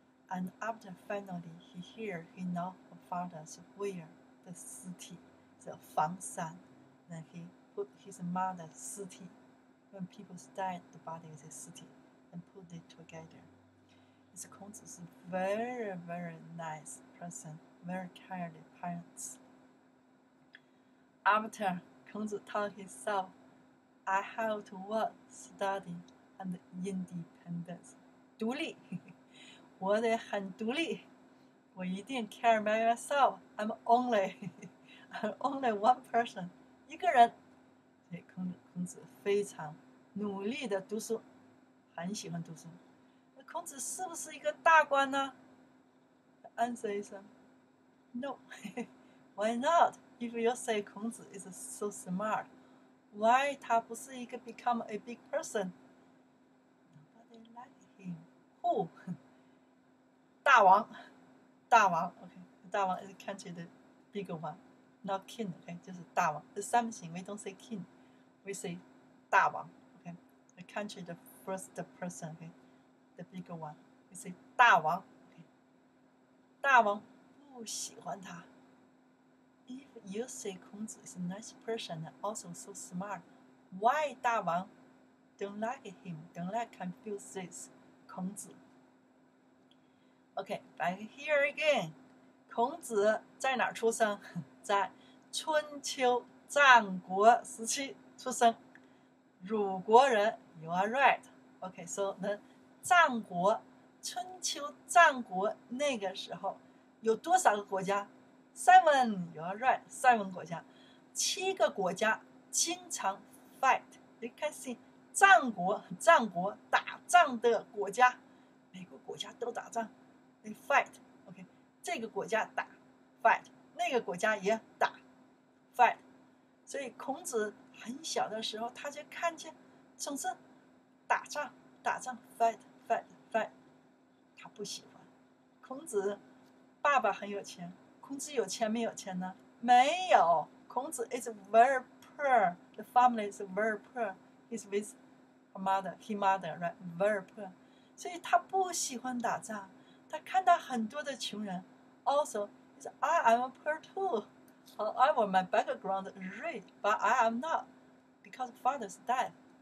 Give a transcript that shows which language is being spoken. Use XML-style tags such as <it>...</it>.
<en>And after finally he hear, he know her father's where the 尸体 the 房山 then he put his mother's 尸体 when people died, the body is a 尸体 and put it together. His 孔子 is a very, very nice person, very kind parents. After 孔子 told himself, I have to work, study, and independence.</en> <zh>独立我得很独立，我一定</zh> <en>care by myself. I'm only one person,</en> <zh>一个人。所以孔子非常努力的读书，很喜欢读书。那孔子是不是一个大官呢？</zh> <en>The answer is no. Why not? If you say 孔子 is so smart, why</en> <zh>他不是一个</zh> <en>become a big person? Nobody like him. Who? 大王 okay, 大王 is country the bigger one, not king, okay, 就是大王 the same thing, we don't say king, we say 大王 okay, the country the first person, okay, the bigger one, we say 大王 okay,</en> <zh>大王不喜欢他，</zh> <en>if you say 孔子 is a nice person and also so smart, why 大王 don't like him, don't like Confucius 孔子 Okay, back here again.</en> <zh>孔子在哪出生？在春秋战国时期出生。鲁国人</zh> <en>you are right. Okay, so</en> <zh>那战国春秋战国那个时候有多少个国家 ？</zh> <en>Seven, you are right.</en> <zh>7国家，七个国家经常 fight. You can see 战国，战国打仗的国家，每个国家都打仗 ，</zh> <en>they fight. Okay,</en> <zh>这个国家打 fight， 那个国家也打 fight. 所以孔子很小的时候他就看见，总是打仗，打仗 fight, fight, fight. 他不喜欢孔子。爸爸很有钱，孔子有钱没有钱呢？没有。</zh> <en>孔子 is very poor. The family is very poor. He's with her mother, his mother, right? Very poor.</en> <zh>所以他不喜欢打仗。他看到很多的穷人。</zh> <en>Also, he said, I am poor too. However, my background is rich, but I am not because father's dead.</en>